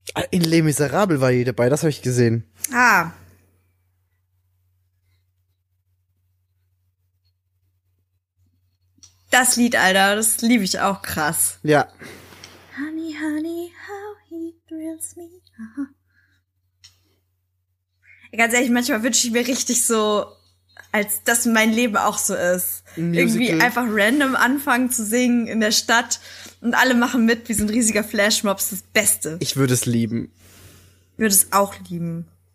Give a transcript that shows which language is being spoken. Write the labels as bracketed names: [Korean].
[German] In Les Miserables war jeder dabei, das habe ich gesehen. Ah. Das Lied, Alter, das liebe ich auch krass. Ja. [English] Honey, honey, how he thrills me. Aha. [German] Ganz ehrlich, manchmal wünsche ich mir richtig so, als dass mein Leben auch so ist. Irgendwie einfach random anfangen zu singen in der Stadt und alle machen mit wie so ein riesiger Flashmob, das Beste. Ich würde es lieben. Ich würde es auch lieben.